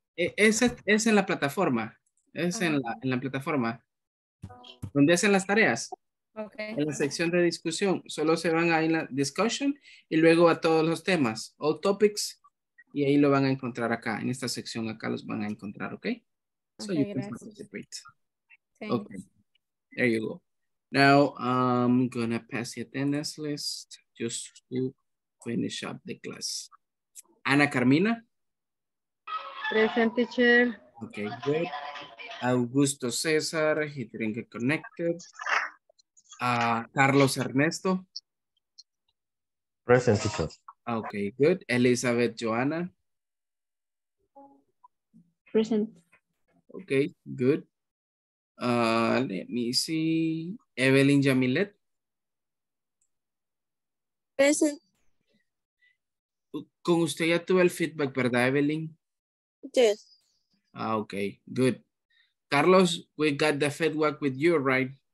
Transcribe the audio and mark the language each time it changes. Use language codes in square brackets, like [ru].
[es] Es en la plataforma. Es en la plataforma. Donde hacen las tareas. Okay. En la sección de discusión. Solo se van ahí en la discussion y luego a todos los temas. [en] All topics. [es] Y ahí lo van a encontrar acá. En esta sección acá los van a encontrar, ¿ok? [en] So okay, you can gracias. Participate. Thanks. Okay. There you go. Now I'm gonna pass the attendance list just to finish up the class. Ana Carmina. Present, teacher. Okay, good. Augusto Cesar, he didn't get connected. Carlos Ernesto. Present, teacher. Okay, good. Elizabeth Joanna. Present. Okay, good. Let me see. Evelyn Yamilet. Present. [es] Con usted ya tuve el feedback, ¿verdad, Evelyn? [en] Yes. Ah, okay, good. Carlos, we got the feedback with you, right?